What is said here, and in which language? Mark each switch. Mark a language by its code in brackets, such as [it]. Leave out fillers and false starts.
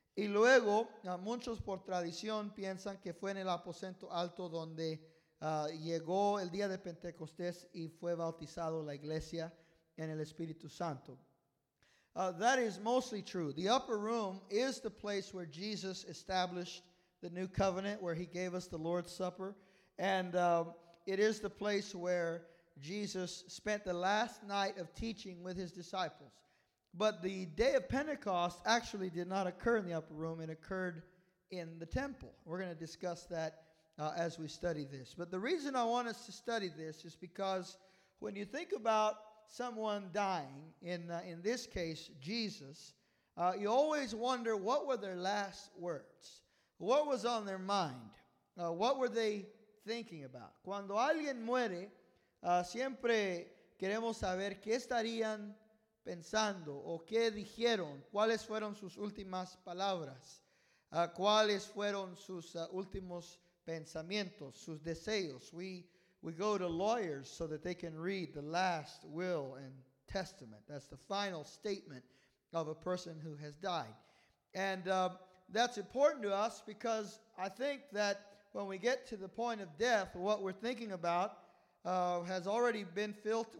[es] Y luego, muchos por tradición piensan que fue en el aposento alto donde llegó el día de Pentecostés y fue bautizado la iglesia en el Espíritu Santo. [en] That is mostly true. The upper room is the place where Jesus established the new covenant, where he gave us the Lord's Supper. And it is the place where Jesus spent the last night of teaching with his disciples. But the day of Pentecost actually did not occur in the upper room. It occurred in the temple. We're going to discuss that as we study this. But the reason I want us to study this is because when you think about someone dying, in this case, Jesus, you always wonder, what were their last words? What was on their mind? What were they thinking about? [es] Cuando alguien muere, siempre queremos saber qué estarían pensando, o qué dijeron, cuáles fueron sus últimas palabras, cuáles fueron sus últimos pensamientos, sus deseos. [en] We go to lawyers so that they can read the last will and testament. That's the final statement of a person who has died. And that's important to us because I think that when we get to the point of death, what we're thinking about has already been filtered.